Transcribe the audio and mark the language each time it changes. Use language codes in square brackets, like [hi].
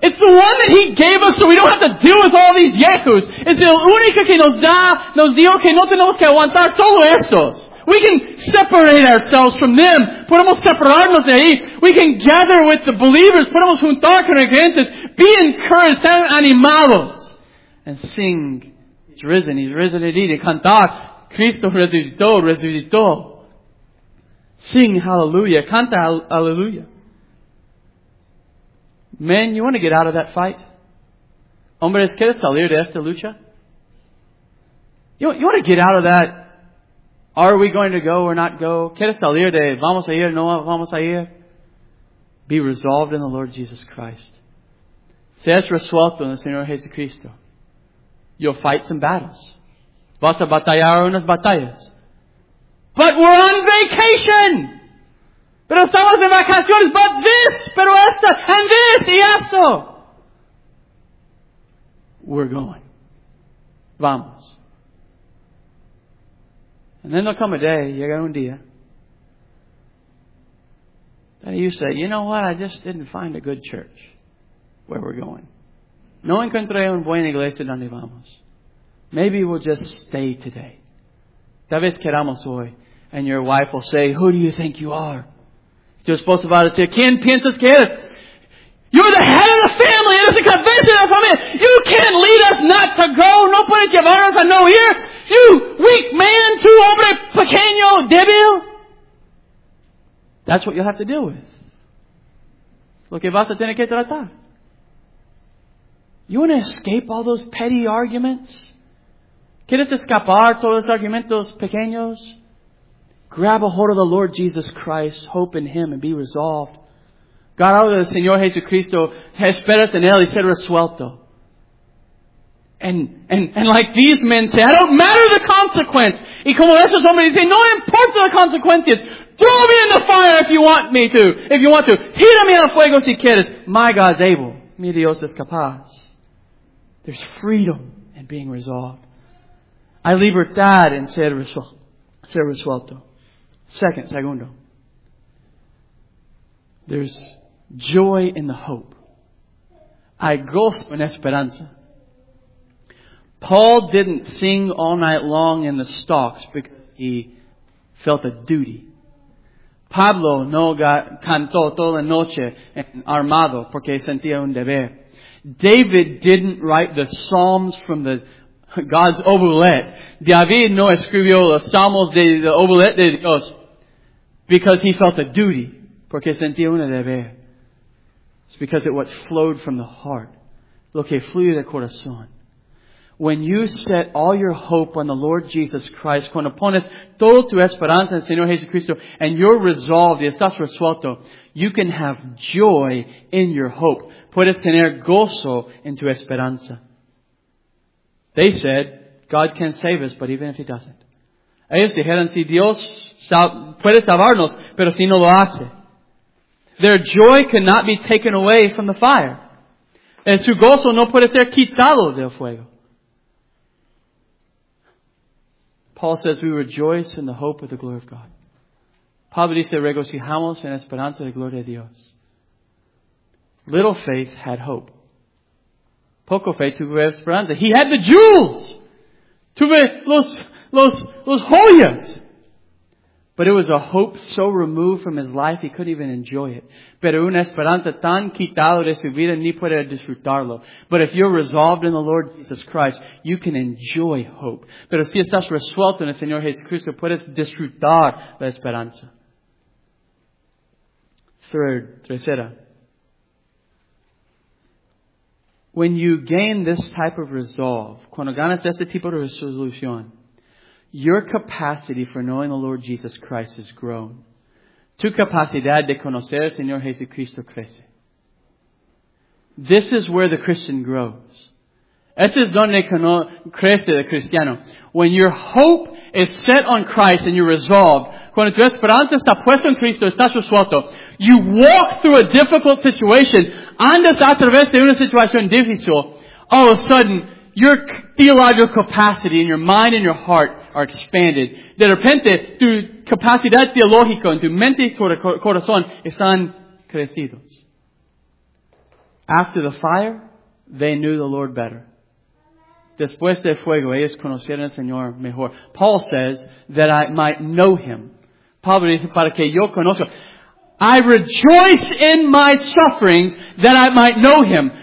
[en] It's the one that He gave us so we don't have to deal with all these yahoos. [es] Es el único que nos dio que no tenemos que aguantar todos estos. [en] We can separate ourselves from them. [es] Podemos separarnos de ahí. [en] We can gather with the believers. [es] Podemos juntar con los creyentes. [en] Be encouraged. [es] Sean animados. [en] And sing, He's risen. He's risen indeed. And [es] cantar, Cristo resucitó, resucitó. [en] Sing hallelujah. [es] Canta hallelujah. [en] Men, you want to get out of that fight? [es] Hombres, ¿quieres salir de esta lucha? [en] You want to get out of that? Are we going to go or not go? [es] ¿Quieres salir de vamos a ir, no vamos a ir? [en] Be resolved in the Lord Jesus Christ. [es] Seas resuelto en el Señor Jesucristo. [en] You'll fight some battles. [es] Vas a batallar unas batallas. [en] But we're on vacation! [es] Pero estamos en vacaciones, [en] but this, [es] pero esta, [en] and this, [es] y esto. [en] We're going. [es] Vamos. [en] And then there'll come a day, [es] llega un día, [en] that you say, you know what, I just didn't find a good church where we're going. [es] No encontré un buen iglesia donde vamos. [en] Maybe we'll just stay today. [es] Tal vez queramos hoy. [en] And your wife will say, who do you think you are? [es] Tu esposo va a decir, ¿quién piensas que eres? [en] You're the head of the family. [es] Eres el cabeza de la familia. [en] You can't lead us not to go. [es] No puedes llevarnos a no ir. [en] You weak man, [es] tu hombre pequeño, débil. [en] That's what you'll have to deal with. [es] Lo que vas a tener que tratar. [en] You want to escape all those petty arguments? [es] ¿Quieres escapar todos los argumentos pequeños? [en] Grab a hold of the Lord Jesus Christ, hope in Him, and be resolved. God, out of the [es] Señor Jesucristo, esperas en Él y ser resuelto. [en] And like these men say, I don't matter the consequence. [es] Y como esos hombres dicen, no importa las consecuencias. [en] Throw me in the fire if you want me to. If you want to. [es] Tírame al fuego si quieres. [en] My God is able. [es] Mi Dios es capaz. [en] There's freedom in being resolved. [es] Hay libertad en ser resuelto. Segundo. [en] There's joy in the hope. [es] Hay gozo en esperanza. [en] Paul didn't sing all night long in the stocks because he felt a duty. [es] Pablo no cantó toda la noche armado porque sentía un deber. [en] David didn't write the Psalms from the God's oblet. [es] David no escribió los Salmos de la oblet de Dios. [en] Because he felt a duty. [es] Porque sentía un deber. [en] It's because it what flowed from the heart. [es] Lo que fluye del corazón. [en] When you set all your hope on the Lord Jesus Christ, [es] cuando pones todo tu esperanza en el Señor Jesucristo, [en] and you're resolved, [es] y estás resuelto, [en] you can have joy in your hope. [es] Puedes tener gozo en tu esperanza. [en] They said, God can save us, but even if He doesn't. [es] Ellos dijeron, si Dios puede salvarnos, pero si no lo hace. [en] Their joy cannot be taken away from the fire. [es] En su gozo no puede ser quitado del fuego. [en] Paul says, we rejoice in the hope of the glory of God. [es] Pablo dice, regocijamos en esperanza de gloria de Dios. [en] Little faith had hope. [es] Poco fe tuve esperanza. [en] He had the jewels. [es] Tuve los joyas. [en] But it was a hope so removed from his life he couldn't even enjoy it. [es] Pero una esperanza tan quitado de su vida ni puede disfrutarlo. [en] But if you're resolved in the Lord Jesus Christ, you can enjoy hope. [es] Pero si estás resuelto en el Señor Jesucristo, puedes disfrutar la esperanza. Tercera. [en] When you gain this type of resolve, [es] cuando ganas este tipo de resolución, [en] your capacity for knowing the Lord Jesus Christ is grown. [es] tu capacidad de conocer al Señor Jesucristo crece. [en] This is where the Christian grows. [es] Este es donde crece el cristiano. [en] When your hope is set on Christ and you're resolved, [es] cuando tu esperanza está puesta en Cristo, estás resuelto, [en] you walk through a difficult situation, [es] andas a través de una situación difícil, [en] all of a sudden, your theological capacity and your mind and your heart are expanded. [es] De repente, tu capacidad teológica en tu mente y corazón están crecidos. [en] After the fire, they knew the Lord better. [es] Después del fuego, ellos conocieron al Señor mejor. [en] Paul says that I might know Him. [es] Pablo dice, para que yo conozca. [en] I rejoice in my sufferings that I might know Him.